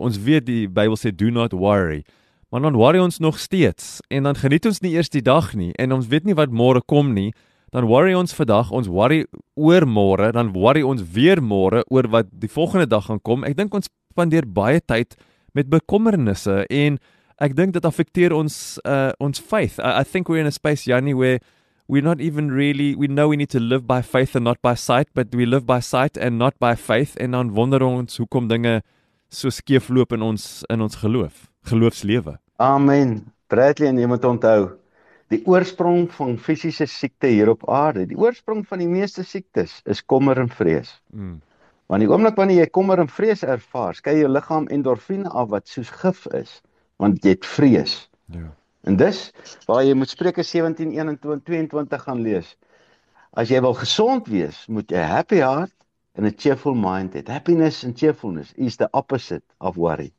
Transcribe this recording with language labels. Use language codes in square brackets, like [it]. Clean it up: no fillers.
[af] Ons weet die Bybel sê [en] do not worry. [af] Maar dan worry ons nog steeds en dan geniet ons nie eers die dag nie en ons weet nie wat môre kom nie. Dan worry ons vandag, ons worry oor môre, dan worry ons weer môre oor wat die volgende dag gaan kom. Ek dink ons spandeer baie tyd met bekommernisse en ek dink dit affekteer ons ons faith. [en] I think we're in a space, Jannie, where we're not even really, we know we need to live by faith and not by sight, but we live by sight and not by faith [af] en dan wonder ons hoekom dinge so skeef loop in ons geloof, geloofslewe. Amen. Bradley, en jy moet onthou, die oorsprong van fisiese siekte hier op aarde, die oorsprong van die meeste siektes is kommer en vrees. Want die oomblik wanneer jy kommer en vrees ervaar, skei jou liggaam endorfine af wat soos gif is, want jy het vrees. En dis waar jy moet Spreuke 17:21-22 gaan lees. As jy wil gesond wees, moet jy [en] happy heart and a cheerful mind [af] het. [en] Happiness and cheerfulness is the opposite of worry.